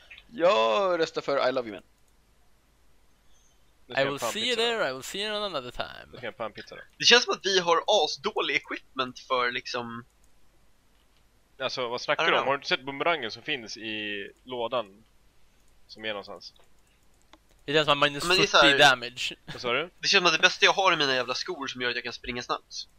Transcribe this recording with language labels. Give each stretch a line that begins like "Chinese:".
Swedish: Jag röstar för
English: I love you, man. I will see you there, I will see you another time.
Swedish: Det känns som att vi har asdålig equipment för liksom... Alltså, vad snackar du om? Har du inte sett boomerangen som finns i lådan? Som är någonstans? Det är den som har minus 40 här, damage. Vad sa du? Det känns som det bästa jag har i mina jävla skor som gör att jag kan springa snabbt.